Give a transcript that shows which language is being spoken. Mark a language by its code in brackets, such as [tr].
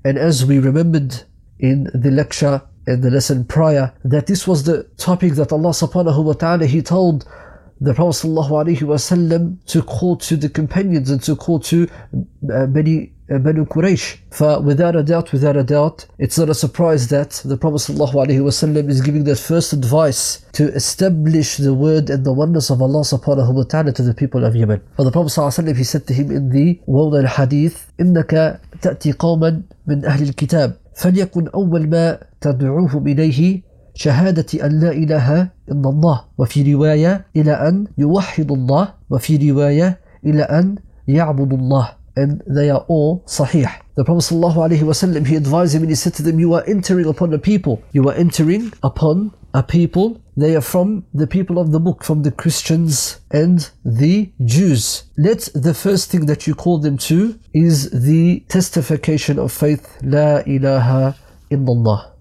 [en] And as we remembered in the lecture and the lesson prior, that this was the topic that Allah subhanahu wa ta'ala, he told the Prophet ﷺ to call to the companions and to call to Banu Quraysh. For without a doubt, it's not a surprise that the Prophet ﷺ is giving that first advice to establish the word and the oneness of Allah subhanahu wa ta'ala to the people of Yemen. For the Prophet ﷺ, he said to him in the well known hadith, [ar] إِنَّكَ تَأْتِي قَوْمًا مِنْ أَهْلِ الْكِتَابِ فَلْيَكُنْ أَوَّلْ مَا تَدْعُوهُمْ إِلَيْهِ شهادة أن لا إله إلا الله وفي رواية إلى أن يوحد الله وفي رواية إلى أن يعبد الله. [en] And they are all sahih. The Prophet ﷺ, he advised him and he said to them, you are entering upon a people. You are entering upon a people. They are from the people of the book, from the Christians and the Jews. Let the first thing that you call them to is the testification of faith, [ar] لا إله إلا الله.